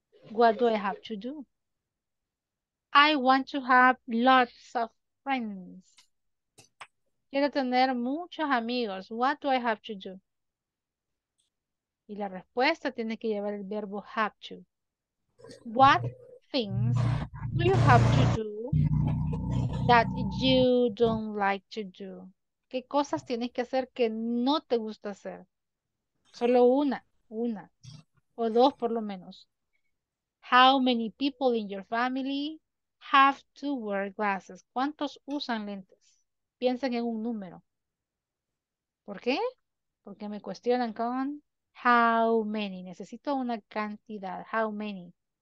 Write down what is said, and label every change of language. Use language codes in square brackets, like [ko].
[en] What do I have to do? I want to have lots of friends. [es] Quiero tener muchos amigos. [en] What do I have to do? [es] Y la respuesta tiene que llevar el verbo have to. [en] What things do you have to do that you don't like to do? [es] ¿Qué cosas tienes que hacer que no te gusta hacer? Solo una. O dos por lo menos. [en] How many people in your family have to wear glasses? [es] ¿Cuántos usan lentes? Piensen en un número. ¿Por qué? Porque me cuestionan con how many. Necesito una cantidad. How many.